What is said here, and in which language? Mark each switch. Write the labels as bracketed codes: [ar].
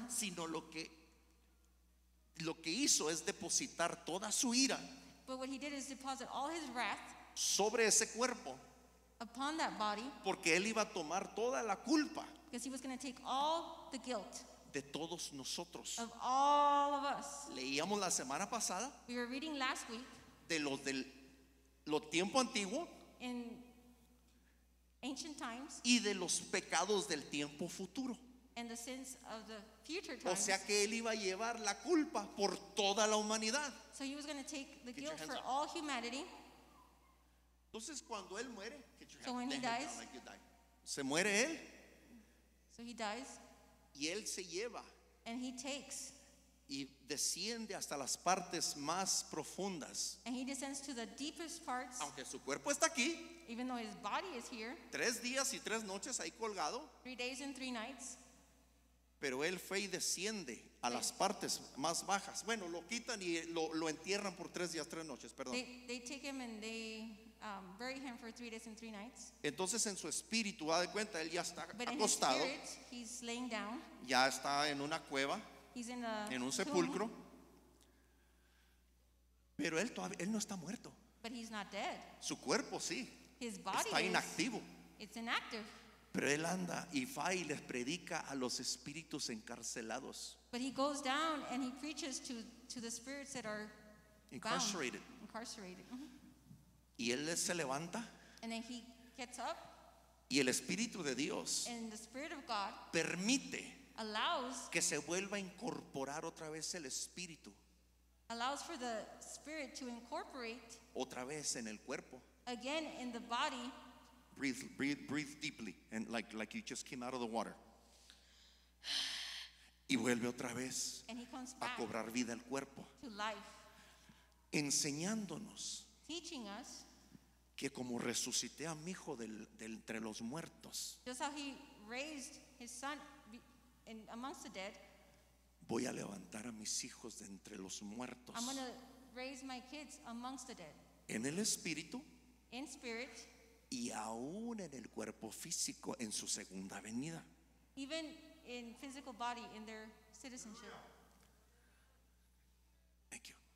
[es] Sino lo que hizo es depositar toda su ira. [en] But what he did is deposit all his wrath. [es] Sobre ese cuerpo. [en] Upon that body. [es] Porque él iba a tomar toda la culpa. [en] Because he was going to take all the guilt. [es] De todos nosotros. [en] Of all of us. [es] Leíamos la semana pasada. [en] We were reading last week. [es] De los del lo tiempo antiguo. [en] In ancient times. [es] Y de los pecados del tiempo futuro. [en] And the sins of the future times. [es] O sea que él iba a llevar la culpa por toda la humanidad. [en] So he was going to take the guilt for all humanity. [es] Entonces cuando él muere. [en] So when he dies. [es] Se muere él. [en] So he dies. [es] Y él se lleva. [en] And he takes. [es] Y desciende hasta las partes más profundas. [en] And he descends to the deepest parts. [es] Aunque su cuerpo está aquí. [en] Even though his body is here. [es] 3 días y 3 noches ahí colgado. [en] 3 days and 3 nights. [es] Pero él fue y desciende a las partes más bajas. Bueno, lo quitan y lo entierran por 3 días, 3 noches, perdón. [en] They take him and they bury him for 3 days and 3 nights. [es] Entonces en su espíritu, da de cuenta, él ya está acostado. [en] But in his spirit, he's laying down. [es] Ya está en una cueva. [en] He's in a [es] en un sepulcro. Pero él todavía, él no está muerto. [en] But he's not dead. [es] Su cuerpo sí. [en] His body [es] está inactivo. [en] It's inactive. [es] Pero él anda y va y les predica a los espíritus encarcelados. [en] But he goes down and he preaches to the spirits that are incarcerated. Bound, incarcerated. [es] Y él se levanta. [en] And then he gets up. [es] Y el Espíritu de Dios. [en] And the Spirit of God. [es] Permite. [en] Allows. [es] Que se vuelva a incorporar otra vez el Espíritu. [en] Allows for the Spirit to incorporate. [es] Otra vez en el cuerpo. [en] Again in the body. Breathe deeply. And like you just came out of the water. [es] Y vuelve otra vez a cobrar vida al cuerpo, [en] to life, [es] enseñándonos, [en] teaching us, [es] que como resucité a mi hijo de entre los muertos, [en] just how he raised his son in, amongst the dead, [es] voy a levantar a mis hijos de entre los muertos. [en] I'm gonna raise my kids amongst the dead. [es] En el espíritu, [en] in spirit, [es] y aún en el cuerpo físico en su segunda venida. [en] Even in physical body in their citizenship. Thank you.